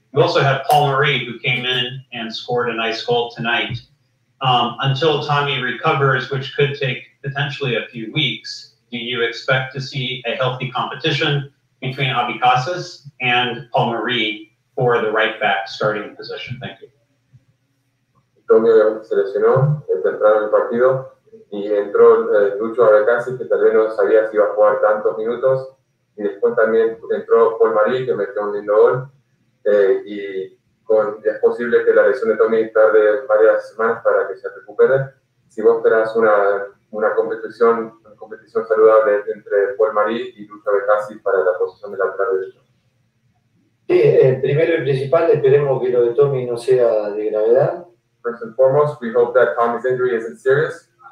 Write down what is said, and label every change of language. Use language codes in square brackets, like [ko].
[en] We also have Paul Marie, who came in and scored a nice goal tonight. Until Tommy recovers, which could take potentially a few weeks, do you expect to see a healthy competition between Abicasis and Paul Marie for the right back starting position? Thank you. [es] Tommy se lesionó temprano en el partido y entró Lucho Abicasis, que tal vez no sabía si iba a jugar tantos minutos, y después también entró Paul Marie, que metió un lindo gol, y es posible que la lesión de Tommy tarde varias semanas para que se recupere. Si vos tenés una competición saludable entre Paul Marie y Lucho Abicasis para la posición de lateral derecho. Sí, primero y principal, esperemos que lo de Tommy no sea de gravedad. [en] First and foremost, we hope that Tommy's injury isn't serious.